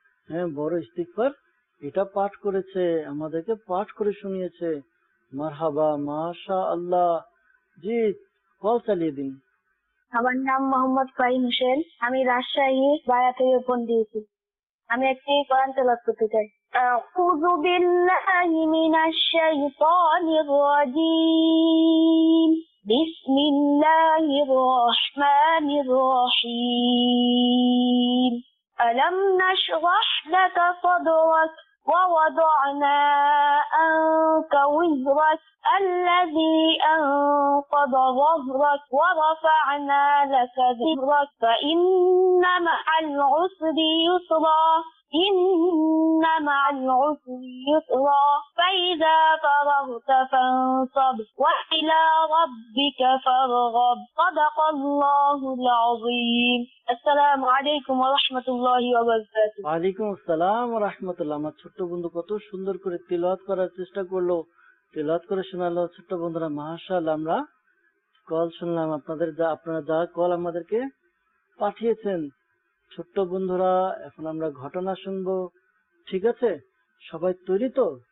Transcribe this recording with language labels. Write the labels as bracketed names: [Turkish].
[Bangla] হ্যাঁ, বড় ইস্তিগফার, এটা পাঠ করেছে, আমাদেরকে পাঠ করে শুনিয়েছে। মারহাবা, মাশা আল্লাহ। জি, কল চালিয়ে দিন। আমার নাম মোহাম্মদ ফাইন হোসেন, আমি রাজশাহী বায়া থেকে ফোন দিয়েছি। আমি একটি কোরআন তেলাওয়াত করতে চাই। [Arabic] আউযু বিল্লাহি মিনাশ শাইতানির রাজীম বিসমিল্লাহির রহমানির রহিম আলাম নাশরাহ লাকা সাদরাক ওয়া ওয়াদানা আনকা উযরাক الذي أنقض ظهرك ورفعنا لك ذكرك فإن مع العسر يسرا إن مع العسر يسرا فإذا فرغت فانصب وإلى ربك فارغب صدق الله العظيم. السلام عليكم ورحمة الله وبركاته. وعليكم السلام ورحمة الله. ما [Bangla] ছোট বন্ধু কত সুন্দর করে তেলাওয়াত করার চেষ্টা করলো, তেলাত করে শোনালো। ছোট্ট বন্ধুরা মাশাআল্লাহ, আমরা কল শুনলাম আপনাদের, যা আপনারা যা কল আমাদেরকে পাঠিয়েছেন। ছোট্ট বন্ধুরা, এখন আমরা ঘটনা শুনবো, ঠিক আছে? সবাই তৈরি তো?